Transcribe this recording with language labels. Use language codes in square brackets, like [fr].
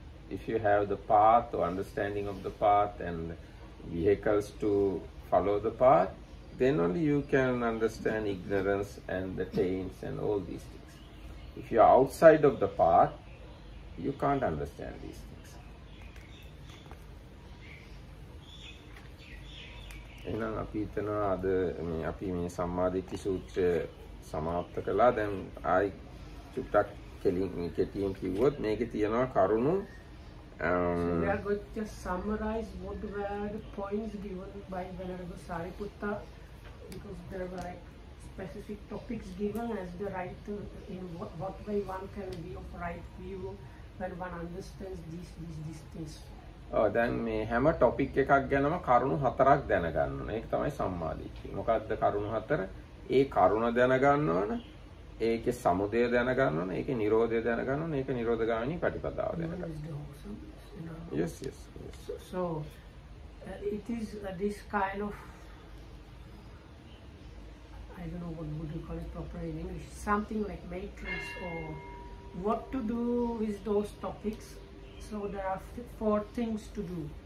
[en] If you have the path or understanding of the path and vehicles to follow the path, then only you can understand ignorance and the taints and all these things. If you are outside of the path, you can't understand these things. [si] එහෙනම් අපි හිතනවා අද මේ අපි මේ සම්මාදිට්ඨි සූත්‍රය සමාප්ත කළා දැන් ආයි චුට්ටක් කෙලින් මේකේ තියෙන කිව්වොත් මේකේ තියෙනවා කරුණු [en] We are going to summarize what were the points given by Venerable Sariputta because there were like specific topics given as the right to in what way one can be of right view when one understands these things. [si] ඔව් දැන් මේ හැම topic එකක් ගැනම කරුණු හතරක් දැනගන්න ඕනේ. ඒක තමයි සම්මාදිට්ඨිය. මොකක්ද කරුණු හතර? ඒ කරුණ දැනගන්න ඕන. ඒකේ සමුදය දැනගන්න ඕන. ඒකේ නිරෝධය දැනගන්න ඕන. ඒක නිරෝධගාමිනී ප්‍රතිපදාව දැනගන්න ඕන. [en] Yes, yes, yes. So it is this kind of I don't know what would you call it properly in English. Something like matrix or what to do with those topics. So there are four things to do.